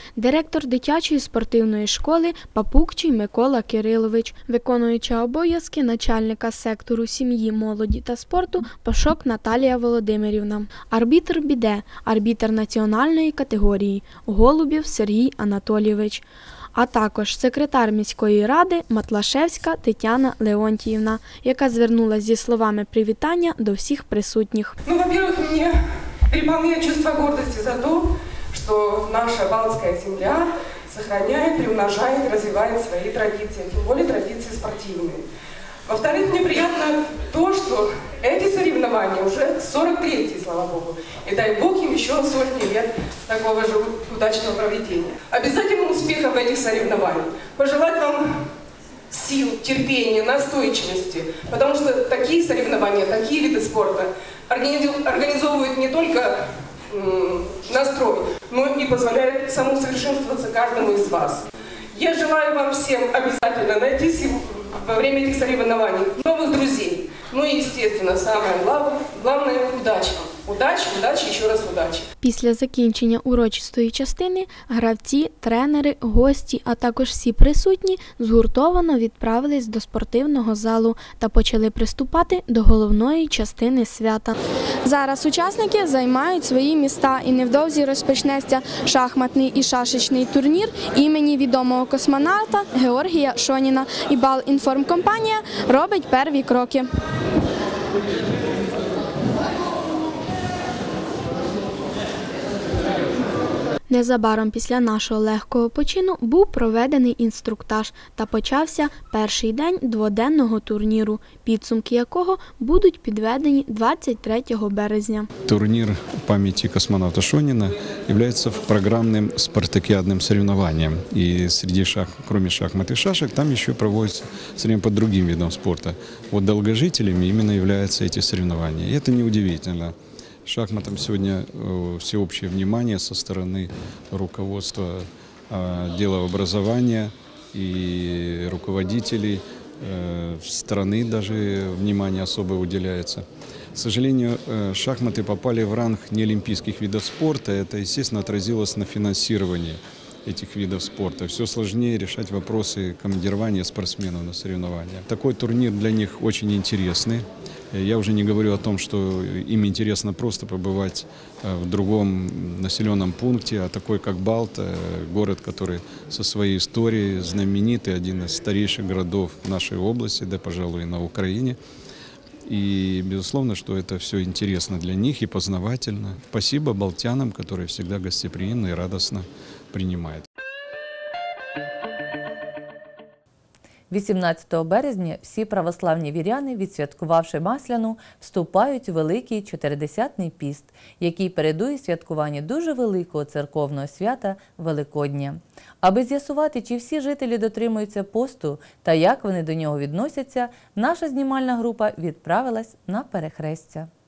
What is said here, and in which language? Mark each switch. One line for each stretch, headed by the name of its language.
Ukrainian: Директор дитячої спортивної школи Папукчий Микола Кирилович, виконуючи обов'язки начальника сектору сім'ї, молоді та спорту Пашок Наталія Володимирівна, арбітр біде, арбітр національної категорії Голубів Сергій Анатолійович, а також секретар міської ради Матлашевська Тетяна Леонтіївна, яка звернулася зі словами привітання до всіх присутніх.
Russian: Ну, во-первых,
Ukrainian: мені переповнює чувство гордості за те, що наша балтська земля зберігає, приумножає, розвиває свої традиції, тим більше традиції спортивні.
Russian: Во-вторых, мне приятно то, что эти соревнования уже 43-й, слава Богу. И дай Бог им еще сотни лет такого же удачного проведения. Обязательно успехов в этих соревнованиях. Пожелать вам сил, терпения, настойчивости. Потому что такие соревнования, такие виды спорта организовывают не только настрой, но и позволяют самосовершенствоваться каждому из вас. Я желаю вам всем обязательно найти силу во время этих соревнований, новых друзей. Ну и, естественно, самое главное – удача.
Ukrainian: Удачі, удачі, ще раз удачі. Після закінчення урочистої частини гравці, тренери, гості, а також всі присутні згуртовано відправились до спортивного залу та почали приступати до головної частини свята. Зараз учасники займають свої міста і невдовзі розпочнеться шахматний і шашечний турнір імені відомого космонавта Георгія Шоніна. І Балінформкомпанія робить перві кроки.
English: Thank you.
Ukrainian: Незабаром після нашого легкого почину був проведений інструктаж та почався перший день дводенного турніру, підсумки якого будуть підведені 23 березня. Турнір у пам'яті космонавта Шоніна є програмним спартакіадним соревнованням. І серед шахмат, крім шахмат і шашок, там ще проводяться соревнування по другим видам спорту. От довгожителями іменно є ці соревнования. І це не удивительно.
Russian: Шахматам сьогодні всеобщее внимание со стороны руководства отдела образования и руководителей страны даже внимание особое уделяется. К сожалению, шахматы попали в ранг неолимпийских видов спорта, это, естественно, отразилось на финансировании этих видов спорта. Все сложнее решать вопросы командирования спортсменов на соревнования. Такой турнир для них очень интересный. Я уже не говорю о том, что им интересно просто побывать в другом населенном пункте, а такой как Балт, город, который со своей историей знаменитый, один из старейших городов нашей области, да, пожалуй, на Украине. И, безусловно, что это все интересно для них и познавательно. Спасибо балтянам, которые всегда гостеприимно и радостно принимают.
Ukrainian: 18 березня всі православні віряни, відсвяткувавши Масляну, вступають у Великий Чотиридесятний піст, який передує святкування дуже великого церковного свята Великодня. Аби з'ясувати, чи всі жителі дотримуються посту та як вони до нього відносяться, наша знімальна група відправилась на перехрестя.